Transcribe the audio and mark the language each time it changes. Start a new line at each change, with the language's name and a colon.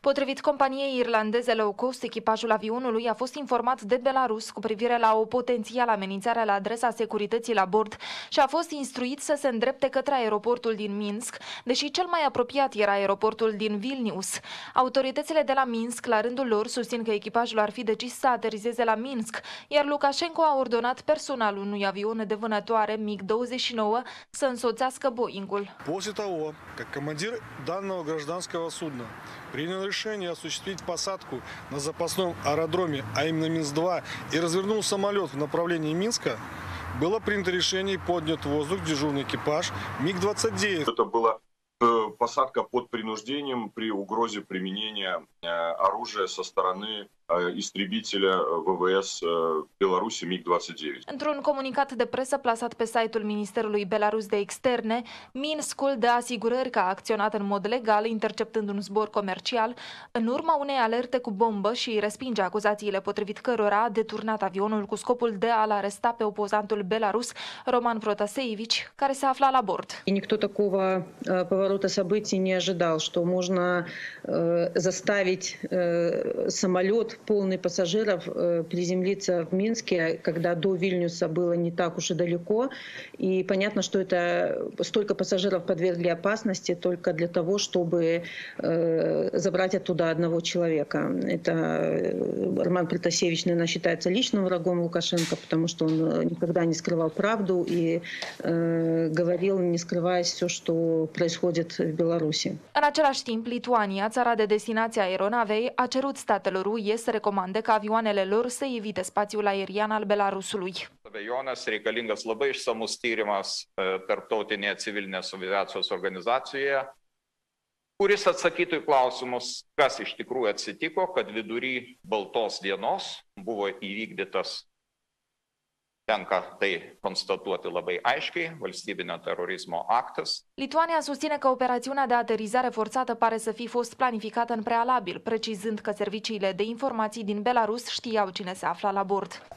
Romanian: Potrivit companiei irlandeze low cost, echipajul avionului a fost informat de Belarus cu privire la o potențială amenințare la adresa securității la bord și a fost instruit să se îndrepte către aeroportul din Minsk, deși cel mai apropiat era aeroportul din Vilnius. Autoritățile de la Minsk, la rândul lor, susțin că echipajul ar fi decis să aterizeze la Minsk, iar Lukashenko a ordonat personalul unui avion de vânătoare mic 29 să însoțească Boeing-ul.
Russian: После того, как командир данного гражданского судна принял решение осуществить посадку на запасном аэродроме, а именно Минск-2, и развернул самолет в направлении Минска, было принято решение поднять в воздух дежурный экипаж МиГ-29. Это была посадка под принуждением при угрозе применения оружия со стороны истребителя ВВС Беларуси МиГ-29.
Romanian: Într-un comunicat de presă plasat pe site-ul Ministerului Belarus de Externe, Minskul dă asigurări că a acționat în mod legal, interceptând un zbor comercial, în urma unei alerte cu bombă și respinge acuzațiile potrivit cărora a deturnat avionul cu scopul de a-l aresta pe opozantul belarus, Roman Protasevici, care se afla la bord.
Russian: Никто такого поворота событий не ожидал, что можно заставить самолет полный пассажиров приземлиться в Минске, когда до Вильнюса было не так уж и далеко. И понятно, что это столько пассажиров подвергли опасности только для того, чтобы забрать оттуда одного человека. Это Роман Протасевич, наверное, считается личным врагом Лукашенко, потому что он никогда не скрывал правду и говорил, не скрываясь, все, что происходит в Беларуси.
Romanian: В același timp, Lituania, țara de destinație a aeronavei, a cerut statelor UE să recomande ca avioanele lor să evite spațiul aerian al Belarusului.
Lithuanian: Avionas reikalingas labai išsamus tyrimas tarptautinėje civilinės aviacijos organizacijoje, kuris atsakytų į klausimus, kas iš tikrųjų atsitiko, kad vidury baltos dienos buvo įvykdytas, tenka tai konstatuoti labai aiškiai, valstybinio terorizmo aktas.
Romanian: Lituania susține că operațiunea de aterizare forțată pare să fi fost planificată în prealabil, precizând că serviciile de informații din Belarus știau cine se afla la bord.